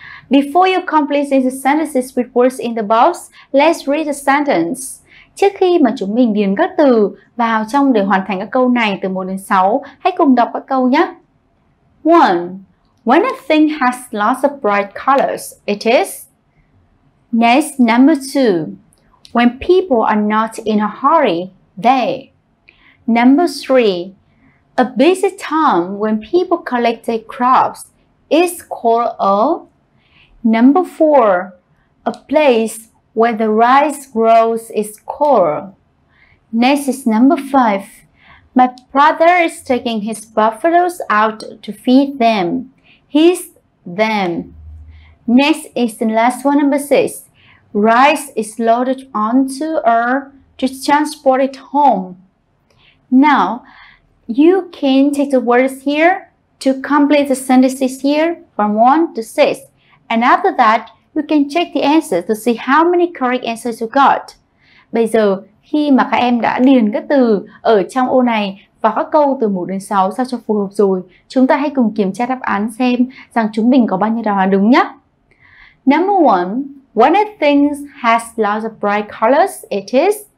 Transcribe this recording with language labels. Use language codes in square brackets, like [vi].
[en] Before you complete the sentences with words in the box, let's read the sentence. [vi] Trước khi mà chúng mình điền các từ vào trong để hoàn thành các câu này từ 1 đến 6, hãy cùng đọc các câu nhé. [en] 1. When a thing has lots of bright colors, it is. Next, number 2. When people are not in a hurry, they. Number 3. A busy time when people collect their crops is called a. Number 4. A place where the rice grows is called. Next is number 5. My brother is taking his buffaloes out to feed them. He's them. Next is the last one, number 6. Rice is loaded onto a to transport it home. Now, you can take the words here to complete the sentences here from 1 to 6. And after that, you can check the answers to see how many correct answers you got. [vi] Bây giờ, khi mà các em đã điền các từ ở trong ô này vào các câu từ 1 đến 6 sao cho phù hợp rồi, chúng ta hãy cùng kiểm tra đáp án xem rằng chúng mình có bao nhiêu đáp án đúng nhé. [en] Number 1. When a thing has lots of bright colors, it is.